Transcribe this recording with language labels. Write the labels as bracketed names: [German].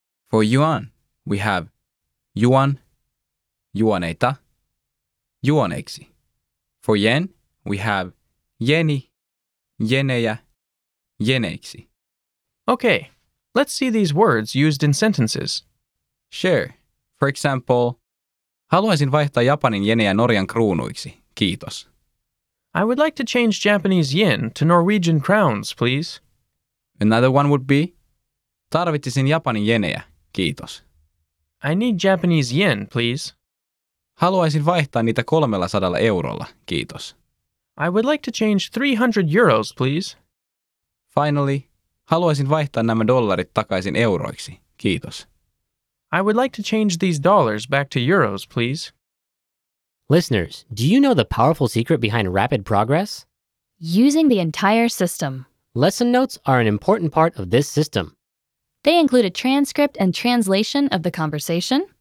[English] For yuan, we have yuan, yuaneita, yuaneiksi. For yen, we have yeni, yenejä, yeneiksi. Okay, let's see these words used in sentences. Sure. For example, [Finnish] haluaisin vaihtaa Japanin yenejä Norjan kruunuiksi, kiitos. [English] I would like to change Japanese yen to Norwegian crowns, please. Another one would be, [Finnish] tarvitsisin Japanin yenejä, kiitos. [English] I need Japanese yen, please. [Finnish] Haluaisin vaihtaa niitä 300 eurolla, kiitos. [English] I would like to change 300 euros, please. Finally, [Finnish] haluaisin vaihtaa nämä dollarit takaisin euroiksi, kiitos. [English] I would like to change these dollars back to euros, please. Listeners, do you know the powerful secret behind rapid progress? Using the entire system. Lesson notes are an important part of this system. They include a transcript and translation of the conversation,